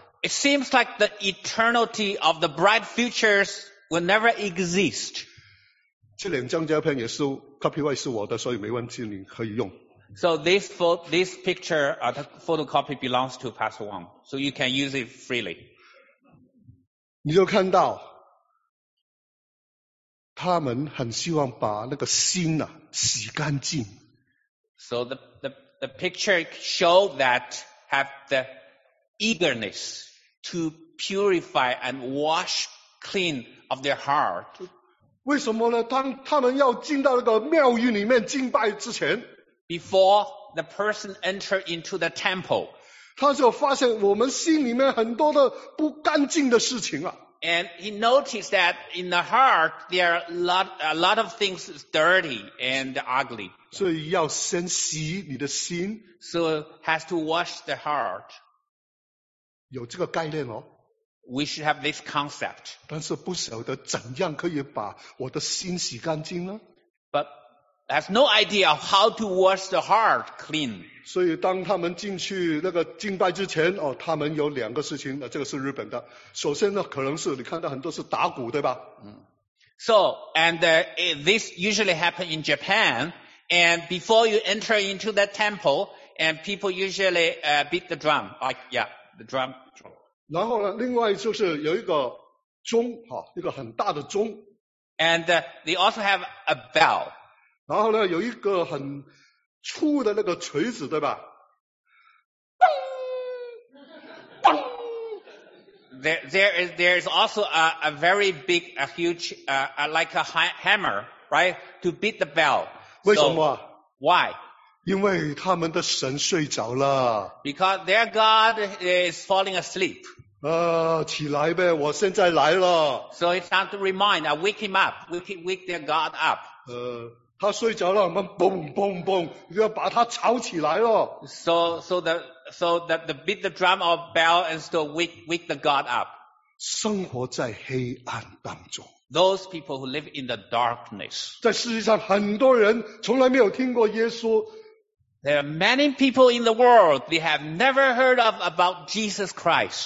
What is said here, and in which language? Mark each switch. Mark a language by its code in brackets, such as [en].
[en] It seems like the eternity of the bright futures will never exist. [zh] 这两张照片也是 copyright 是我的，所以没问题，你可以用。 [en] So this picture, the photocopy belongs to Pastor Wang, so you can use it freely. [zh] 你就看到他们很希望把那个心啊洗干净。 [en] So the picture show that have the eagerness to purify and wash clean of their heart. [zh] 为什么呢？当他们要进到那个庙宇里面敬拜之前 [en] ，before the person enter into the temple， [zh] 他就发现我们心里面很多的不干净的事情啊。 [en] And he noticed that in the heart there are a lot of things dirty and ugly. [zh] 所以要先洗你的心。 [en] So has to wash the heart. [zh] 有这个概念哦。 [en] We should have this concept. [zh] 但是不晓得怎样可以把我的心洗干净呢？ [en] But has no idea of how to wash the heart clean. [zh] 所以当他们进去那个敬拜之前、哦、他们有两个事情，这个是日本的。首先呢，可能是你看到很多是打鼓，对吧？ [en] So, and this usually happens in Japan. And before you enter into the temple, and people usually beat the drum. Like, yeah, the drum. [zh] 然后呢，另外就是有一个钟，一个很大的钟。 [en] And they also have a bell. [zh] 然后呢，有一个很粗的那个锤子，对吧？嘣嘣。 [en] There is also a very big, a huge, like a hammer, right, to beat the bell. [zh] 为什么 [en] ？Why？ [zh] 因为他们的神睡着了。 [en] Because their God is falling asleep. [zh] 起来呗，我现在来了。 [en] So it's time to remind, I wake him up, wake their God up. [zh] 他睡着了，我们嘣嘣嘣，要把他吵起来了。 [en] So the beat the drum or bell and still wake the God up. [zh] 生活在黑暗当中。 [en] Those people who live in the darkness. [zh] 在世界上很多人从来没有听过耶稣。 [en] There are many people in the world, they have never heard of about Jesus Christ.